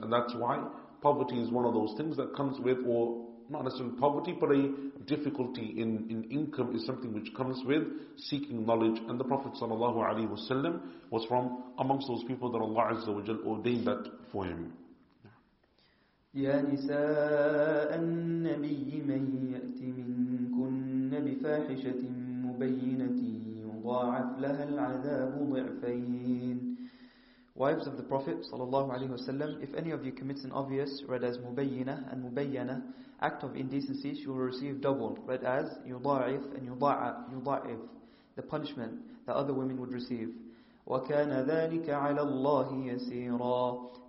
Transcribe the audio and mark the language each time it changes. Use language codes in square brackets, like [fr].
[en] And that's why poverty is one of those things that comes with, or not necessarily poverty, but a difficulty in income is something which comes with seeking knowledge. And the Prophet sallallahu alaihi wasallam was from amongst those people that Allah Azza wa Jalla ordained that for him. [ar] يا نساء النبي من يأت منكن بفاحشة مبينة يضاعف لها العذاب ضعفين. [en] Wives of the Prophet sallallahu alaihi wasallam, if any of you commits an obvious, read as mubayyana and mubayyana, act of indecency, she will receive double, read as yudaa'if and yudaa'if, the punishment that other women would receive. [ar] وَكَانَ ذَلِكَ عَلَى اللَّهِ يَسِيرًا.